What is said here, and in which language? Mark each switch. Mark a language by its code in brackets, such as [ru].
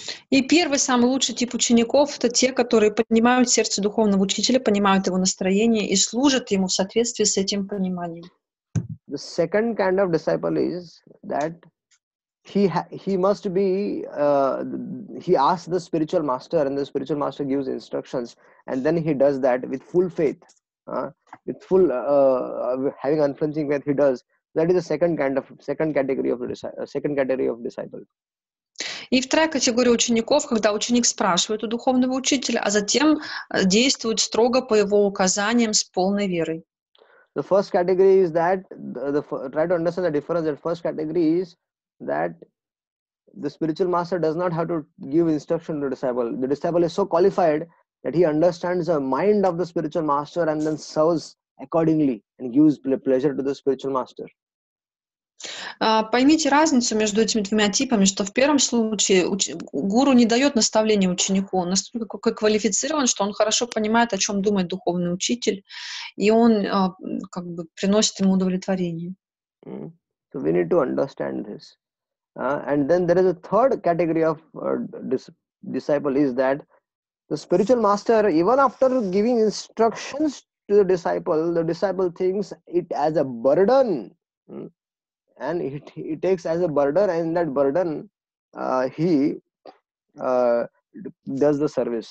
[ru] И первый, самый лучший тип учеников — это те, которые понимают сердце духовного учителя, понимают его настроение и служат ему в соответствии с этим пониманием. [en] The second kind of disciple is that he asks the spiritual master, and the spiritual master gives instructions, and then he does that with full faith, having unflinching faith. He does that is the second category of disciple. [ru] И вторая категория учеников, когда ученик спрашивает у духовного учителя, а затем действует строго по его указаниям с полной верой. [en] The first category is that, try to understand the difference. The first category is that the spiritual master does not have to give instruction to the disciple. The disciple is so qualified that he understands the mind of the spiritual master and then serves accordingly and gives pleasure to the spiritual master. [ru] Поймите разницу между этими двумя типами, что в первом случае гуру не дает наставления ученику, он настолько квалифицирован, что он хорошо понимает, о чем думает духовный учитель, и он как бы приносит ему удовлетворение. [en] So we need to understand this. And then there is a third category of disciple is that the spiritual master, even after giving instructions to the disciple thinks it as a burden. And he takes as a burden, and that burden he does the service.